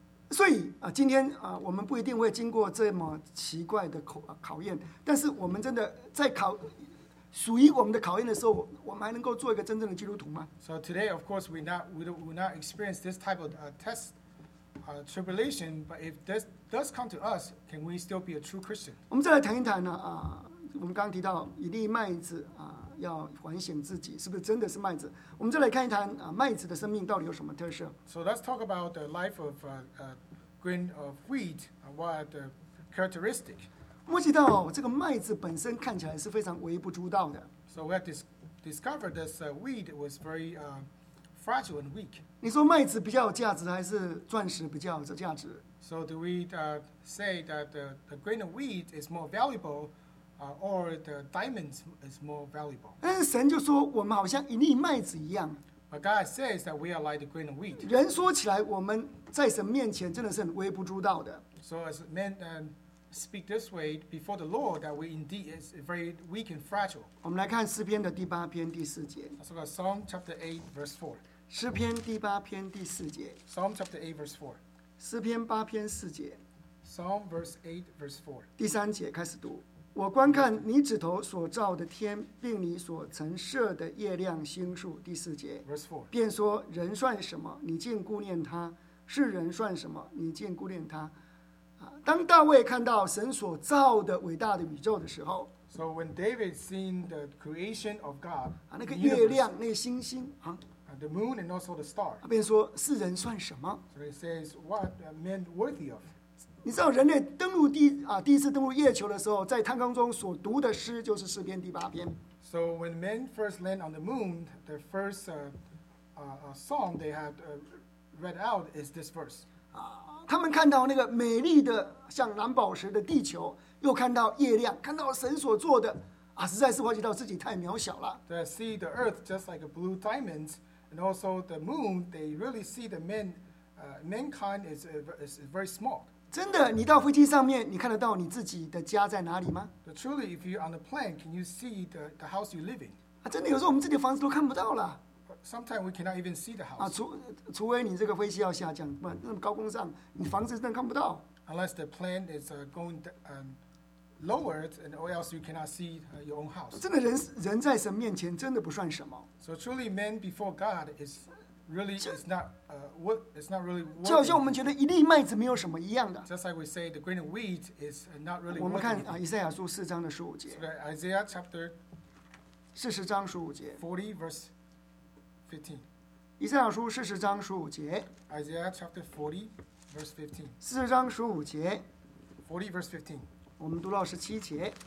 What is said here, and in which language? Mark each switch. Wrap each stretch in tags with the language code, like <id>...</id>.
<zh>所以啊，今天啊，我们不一定会经过这么奇怪的考验，但是我们真的在考。属于我们的考验的时候，我们还能够做一个真正的基督徒吗</zh> <en>？So today, of course, we will not experience this type of test, tribulation. But if this does come to us, can we still be a true Christian?</en> <zh>我们再来谈一谈呢、我们刚提到以利麦子要反省自己是不是真的是麦子？我们再来看一谈麦子的生命到底有什么特色</zh> <en>？So let's talk about the life of a grain of wheat. What are the characteristics?</en> <zh>摸起到这个麦子本身看起来是非常微不足道的。</zh> <en>So we have discovered this wheat was very fragile and weak.</en> <zh>你说麦子比较有价值，还是钻石比较有价值</zh> <en>？So do we say that the grain of wheat is more valuable, or the diamonds is more valuable?</en> <zh>但是神就说我们好像一粒麦子一样。</zh> <en>But God says that we are like the grain of wheat.</en> <zh>人说起来我们在神面前真的是很微不足道的。</zh> <en>So as men speak this way before the Lord that we indeed is very weak and fragile.</en> <zh>我们来看诗篇的第八篇第四节。</zh> <en>Let's look at Psalm chapter 8 verse 4.</en> <zh>诗篇第八篇第四节。</zh> <en>Psalm chapter 8 verse 4.</en> <zh>诗篇八篇四节。</zh> <en>Psalm verse 8 verse 4.</en> <zh>第三节开始读。我观看你指头所造的天，并你所陈设的月亮星宿。第四节。</zh> <en>Verse 4.</en> <zh>便说人算什么？你竟顾念他？是人算什么？你竟顾念他？当大卫看到神所造的伟大的宇宙的时候</zh> <en>，So when David seen the creation of God，</en> <zh>那个月亮、那个星星啊</zh> <en>，the moon and also the star，</en> <zh>便说世人算什么</zh> <en>？So he says, what men worthy of？</en> <zh>你知道人类登陆地啊，第一次登陆月球的时候，在太空中所读的诗就是诗篇第八篇。</zh> <en>So when men first land on the moon, the first song they had read out is this verse.</en> <zh>他们看到那个美丽的像蓝宝石的地球，又看到月亮，看到神所做的啊，实在是发觉到自己太渺小了。</zh> <en>They see the earth just like a blue diamond, and also the moon. They really see the men, mankind is very small.</en> <zh>真的，你到飞机上面，你看得到你自己的家在哪里吗</zh> <en>？Truly, if you're on the plane, can you see the house you live in？</en> <zh>啊，真的，有时候我们自己的房子都看不到了。</zh> <en>Sometimes we cannot even see the house。</en> <zh>啊，除非你这个飞机要下降，不然那么高空上，你房子真的看不到。</zh> <en>Unless the plane is going lower, and or else you cannot see your own house。</en> <zh>真的，人在神面前真的不算什么。</zh> <en>So truly, man before God is. Really, it's not what it's not really.</en> <zh>就好像我们觉得一粒麦子没有什么一样的。</zh> <en>Just like we say, the grain of wheat is not really.</en> <zh>我们看啊，以赛亚书四章的十五节。</zh> <en>Isaiah chapter</en> <zh>四十章十五节。</zh> <en>40:15.</en> <zh>以赛亚书四十章十五节。</zh> <en>Isaiah chapter 40:15.</en> <zh>四十章十五节。</zh> <en>40:15.</en> <zh>我们读到十七节。</zh>